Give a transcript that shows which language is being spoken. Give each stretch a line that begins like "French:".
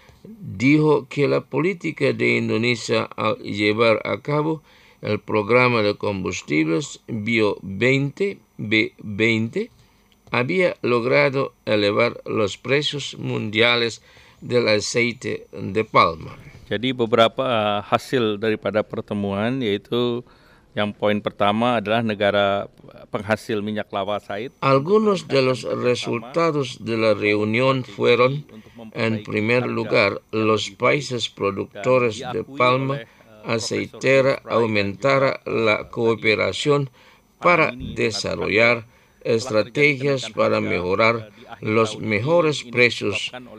Spanish: dijo que la política de Indonesia al llevar a cabo el programa de combustibles B20 había logrado elevar los precios mundiales del aceite de palma.
Indonesian: Jadi beberapa hasil daripada pertemuan yaitu yang poin pertama adalah negara penghasil minyak kelapa sawit.
Spanish: Algunos de los resultados de la reunión fueron, en primer lugar, los países productores de palma aceitera aumentara la cooperación para desarrollar estrategias para mejorar los mejores precios.